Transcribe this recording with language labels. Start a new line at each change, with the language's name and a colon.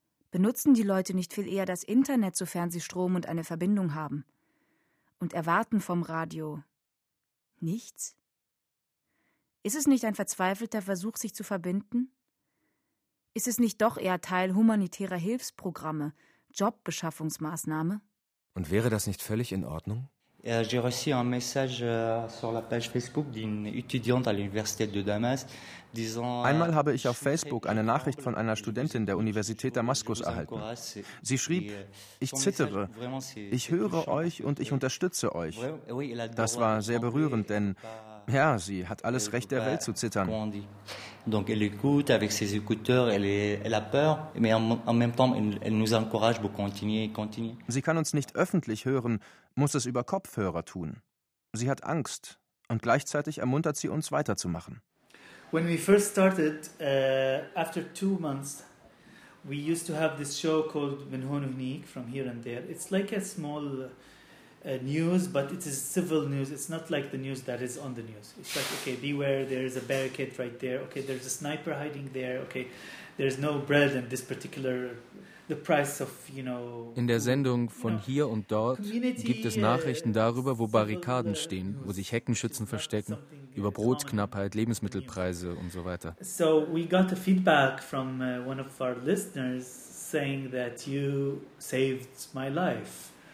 German: Benutzen die Leute nicht viel eher das Internet, sofern sie Strom und eine Verbindung haben? Und erwarten vom Radio nichts? Ist es nicht ein verzweifelter Versuch, sich zu verbinden? Ist es nicht doch eher Teil humanitärer Hilfsprogramme, Jobbeschaffungsmaßnahme? Und wäre das nicht völlig in Ordnung?
French: J'ai reçu un message sur la page Facebook d'une étudiante à l'université de Damas.
German: Einmal habe ich auf Facebook eine Nachricht von einer Studentin der Universität Damaskus erhalten. Sie schrieb, ich zittere, ich höre euch und ich unterstütze euch. Das war sehr berührend, denn, ja, sie hat alles Recht der Welt zu zittern.
French: Donc elle écoute avec ses écouteurs, elle a peur, mais en même temps elle nous encourage pour continuer.
German: Sie kann uns nicht öffentlich hören, muss es über Kopfhörer tun. Sie hat Angst und gleichzeitig ermuntert sie uns weiterzumachen.
English: When we first started, after 2 months, we used to have this show called Menhonuhnik from here and there. It's like a small news, but it is civil news. It's not like the news that is on the news. It's like, okay, beware, there is a barricade right there. Okay, there's a sniper hiding there. Okay, there's no bread in this particular. The price of, you know.
German: In der Sendung von hier und dort gibt es Nachrichten darüber, wo Barrikaden stehen, wo sich Heckenschützen verstecken, über Brotknappheit, Lebensmittelpreise und so weiter.
English: So we got a feedback from one of our listeners saying that you saved my life.